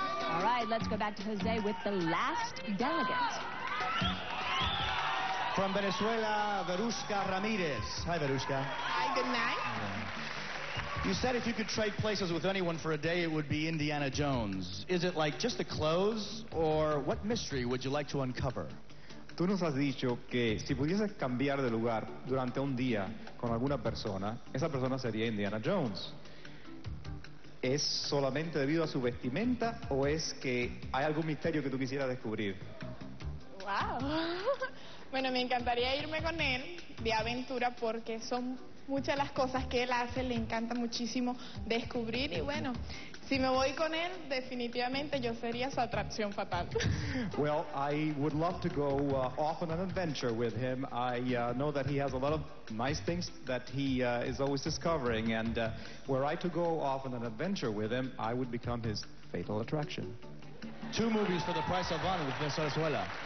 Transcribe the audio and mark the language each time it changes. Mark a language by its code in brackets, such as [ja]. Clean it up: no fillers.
[en] All right, let's go back to Jose with the last delegate. From Venezuela, Verushka Ramirez. Hi, Verushka. Hi, good night. You said if you could trade places with anyone for a day, it would be Indiana Jones. Is it like just the clothes, or what mystery would you like to uncover? [es] Tú nos has dicho que si pudieses cambiar de lugar durante un día con alguna persona, esa persona sería Indiana Jones. ¿Es solamente debido a su vestimenta o es que hay algún misterio que tú quisieras descubrir? ¡Wow! Bueno, me encantaría irme con él de aventura porque son muchas las cosas que él hace, le encanta muchísimo descubrir y bueno... Si me voy con él, definitivamente yo sería su atracción fatal. [en] Well, I would love to go off on an adventure with him. I know that he has a lot of nice things that he is always discovering. And were I to go off on an adventure with him, I would become his fatal attraction. Two movies for the price of one with Venezuela.